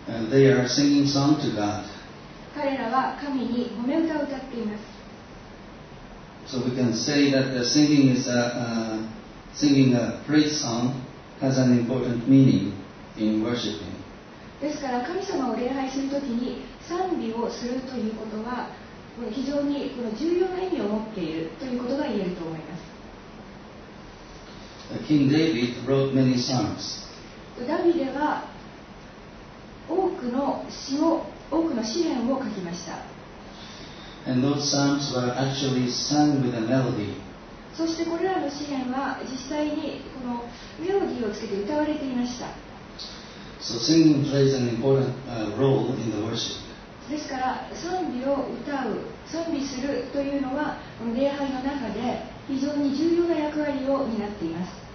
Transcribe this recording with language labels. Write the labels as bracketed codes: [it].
[en] They are singing song to God. [ja] 彼らは神に褒め歌を歌っています。 [en] So we can say that the singing is singing a praise song has an important meaning in worshiping. [ja] ですから神様を礼拝するときに賛美をするということは非常にこの重要な意味を持っているということが言えると思います。 [en] King David wrote many songs. [ja] ダビデは多くの詩を、多くの詩編を書きました。 [en] And those songs were actually sung with a melody. [ja] そしてこれらの詩編は実際にこのメロディーをつけて歌われていました。 [en] So singing plays an important role in the worship. [ja] ですから賛美を歌う、賛美するというのはこの礼拝の中で非常に重要な役割を担っています。